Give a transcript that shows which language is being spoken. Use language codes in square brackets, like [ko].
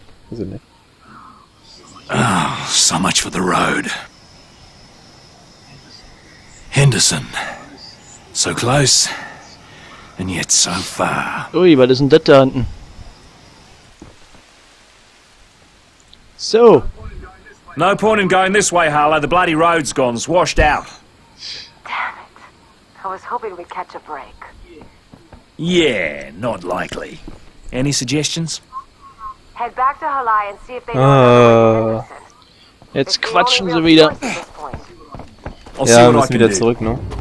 [de] Also nicht. [en] Oh, so much for the road. Henderson. So close, and yet so far. [de] Ui, was ist denn das da hinten? So. [en] No point in going this way, Harlow. The bloody road's gone. It's washed out. Damn it. I was hoping we'd catch a break. Yeah, not likely. Any suggestions? Head back to Halai and see if they know. [de] Jetzt quatschen sie wieder. Ja, wir müssen wieder zurück, ne?